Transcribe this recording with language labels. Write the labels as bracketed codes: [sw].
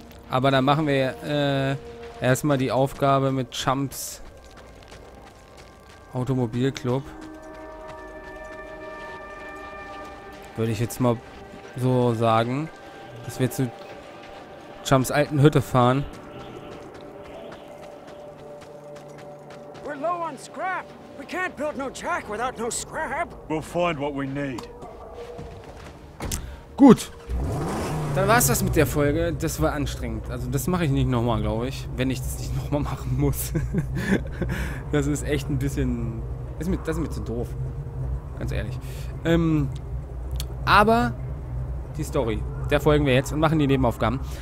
[de] Aber dann machen wir, erstmal die Aufgabe mit Chumps Automobilclub. Würde ich jetzt mal so sagen, dass wir zu Chumps alten Hütte fahren. [en] We're low on scrap. We can't build no jack without no scrap. We'll find what we need. [de] Gut. Dann war es das mit der Folge. Das war anstrengend. Also das mache ich nicht nochmal, glaube ich. Wenn ich das nicht nochmal machen muss. Das ist echt ein bisschen... Das ist mir zu doof. Ganz ehrlich. Aber die Story. Der folgen wir jetzt und machen die Nebenaufgaben.